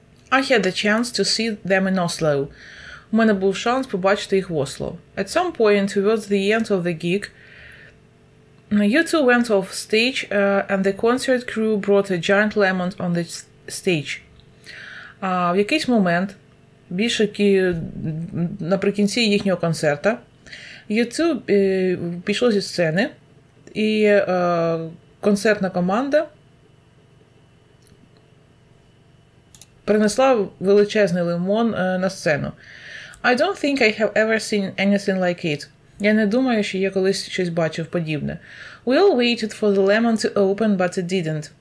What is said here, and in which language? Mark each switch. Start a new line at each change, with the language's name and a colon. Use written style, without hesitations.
English: I had the chance to see them in Oslo.
Ukrainian: У мене був шанс побачити їх в Осло.
English: At some point towards the end of the gig, you two went off stage and the concert crew brought a giant lemon on the stage.
Ukrainian: В якийсь момент, більше наприкінці їхнього концерта, you two пішло зі сцени і концертна команда принесла величезний лимон на сцену.
English: I don't think I have ever seen anything like it.
Ukrainian: Я не думаю, що я колись щось бачив подібне.
English: We all waited for the lemon to open, but it didn't.